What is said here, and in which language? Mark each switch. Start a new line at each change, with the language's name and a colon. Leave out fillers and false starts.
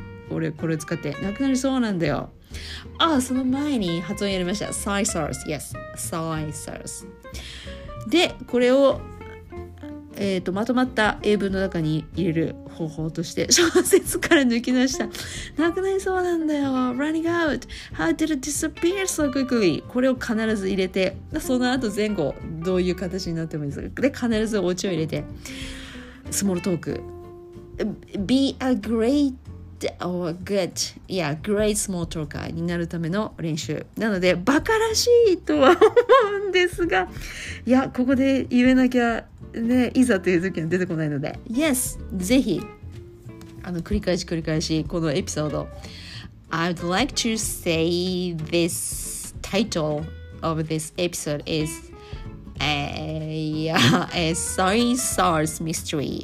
Japanese: 俺これ使ってなくなりそうなんだよ。あ、その前に発音やりました。
English: Soy sauce, yes, soy sauce。
Japanese: で、これを、まとまった英文の中に入れる方法として、小説から抜き出した。なくなりそうなんだよ。
English: Running out, how did it disappear so quickly。
Japanese: これを必ず入れて、その後前後どういう形になってもいいですが、で必ずお家を入れて、スモールトーク、
English: Be a great or good、 yeah, great small talker
Japanese: になるための練習なので、バカらしいとは思うんですが、いや、ここで言えなきゃね、いざという時は出てこないので、 Yes, ぜひ、あの、繰り返し繰り返しこのエピソード、
English: I would like to say this title of this episode is Soy sauce mystery。